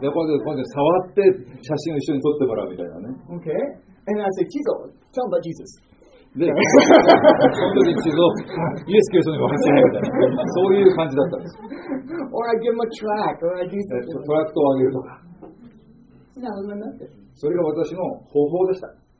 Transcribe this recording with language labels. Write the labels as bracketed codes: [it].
[ja] で、こうやって触って写真を一緒に撮ってもらうみたいなね。 [en] Okay. And I say, Chizo, tell about Jesus. [ja] で、本当に Chizo, イエス・キリストに分かっちゃうみたいな。そういう感じだったんです。 [en] Or I give him a track, or I do something. [ja] トラックをあげるとか。それが私の方法でした。